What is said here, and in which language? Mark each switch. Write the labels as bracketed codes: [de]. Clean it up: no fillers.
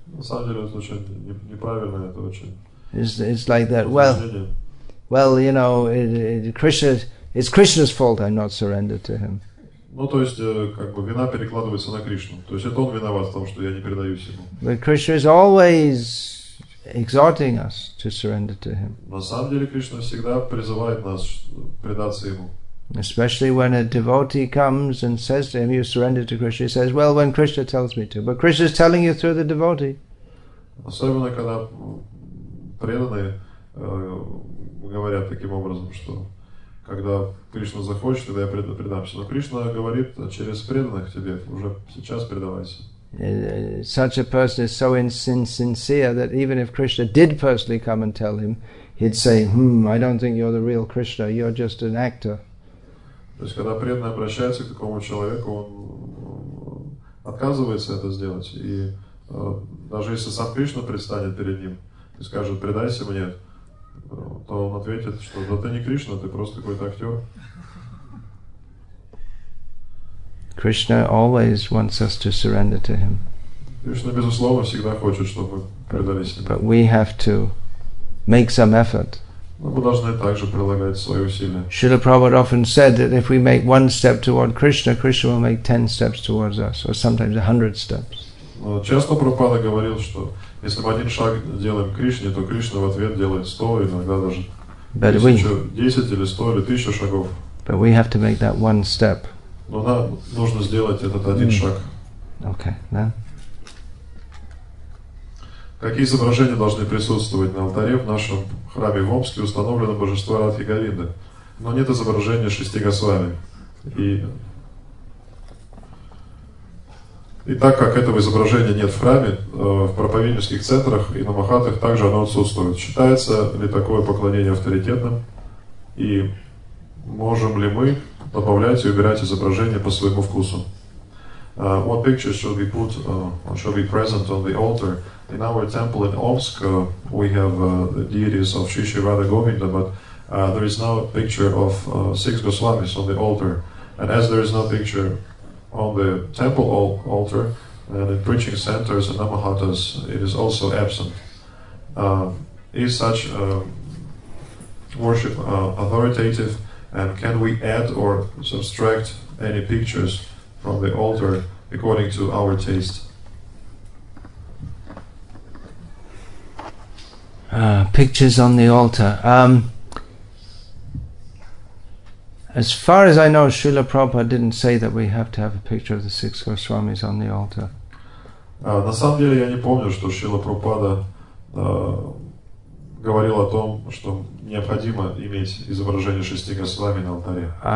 [ru] На самом деле, это очень неправильно, это очень... [en] It's like that, well, you know, it's Krishna's fault I'm not surrendered to him. [ru] Ну, то есть, как бы, вина перекладывается на Кришну. То есть, это он виноват в том, что я не предаюсь ему. [en] But Krishna is always exhorting us to surrender to him. [ru] На самом деле, Кришна всегда призывает нас предаться ему. [en] Especially when a devotee comes and says to him, you surrender to Krishna. He says, well, when Krishna tells me to. But Krishna is telling you through the devotee. [ru] Особенно, когда преданные говорят таким образом, что... Когда Кришна захочет, тогда я предамся. Но Кришна говорит через преданных тебе, уже сейчас предавайся. [en] Such a person is so insincere that even if Krishna did personally come and tell him, he'd say, I don't think you're the real Krishna, you're just an actor. [ru] То есть, когда преданный обращается к такому человеку, он отказывается это сделать. И даже если сам Кришна предстанет перед ним и скажет, предайся мне, то он ответит, что да ты не Кришна, ты просто какой-то актер. [en] Krishna always wants us to surrender to him. [ru] Кришна, безусловно, всегда хочет, чтобы мы предались ему. [en] But we have to make some effort. [ru] Но мы должны также прилагать свои усилия. [en] Srila Prabhupada often said that if we make one step toward Krishna, Krishna will make 10 steps towards us, or sometimes 100 steps. [ru] Но часто Прабхупада говорил, что если мы один шаг делаем к Кришне, то Кришна в ответ делает 100, иногда даже 10 или 100 или 1000 шагов. [en] But we have to make that one step. [ru] Но нам нужно сделать этот один шаг. [en] Okay, then. [ru] Какие изображения должны присутствовать на алтаре в нашем храме в Омске, установлено божество Радхи Говинды, но нет изображения шести госвами? И так как этого изображения нет в храме, в проповеднических центрах и на махатах также оно отсутствует. Считается ли такое поклонение авторитетным? И можем ли мы добавлять и убирать изображение по своему вкусу? [en] What picture should be put, should be present on the altar? In our temple in Omsk, we have the deities of Shri Radha Govinda, but there is no picture of six Goswamis on the altar. And as there is no picture on the temple altar, and in preaching centers and Namahatas, it is also absent. Is such worship authoritative, and can we add or subtract any pictures from the altar according to our taste? pictures on the altar. As far as I know, Srila Prabhupada didn't say that we have to have a picture of the six Goswamis on the altar. [ru] На самом деле я не помню, что Шрила Прабхупада говорил о том, что необходимо иметь изображение шести Госвами на алтаре.